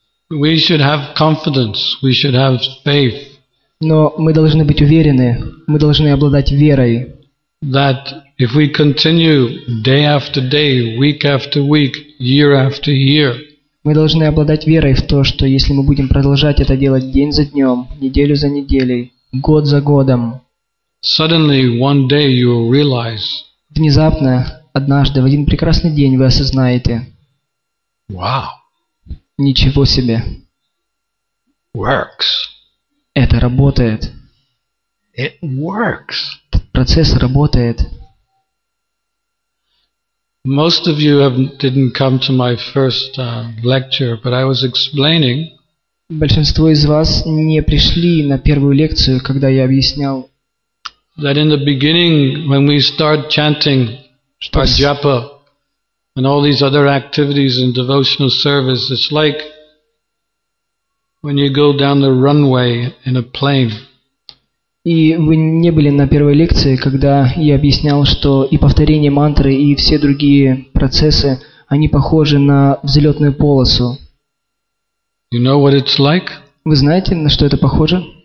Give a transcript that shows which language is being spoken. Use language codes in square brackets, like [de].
[en] We should have confidence, we should have faith. [ru] Но мы должны быть уверены, мы должны обладать верой. [en] That if we continue day after day, week after week, year after year, [ru] мы должны обладать верой в то, что если мы будем продолжать это делать день за днем, неделю за неделей, год за годом, [en] suddenly one day you will realize, [ru] внезапно, однажды, в один прекрасный день вы осознаете, [en] wow, [ru] ничего себе, [en] works, [ru] это работает, [en] it works. [ru] Процесс работает. [en] Most of you have didn't come to my first lecture, but I was explaining. [ru] Большинство из вас не пришли на первую лекцию, когда я объяснял. [en] That in the beginning, when we start chanting, japa, and all these other activities in devotional service, it's like when you go down the runway in a plane. [ru] И вы не были на первой лекции, когда я объяснял, что и повторение мантры, и все другие процессы, они похожи на взлетную полосу. [en] You know what it's like? [ru] Вы знаете, на что это похоже?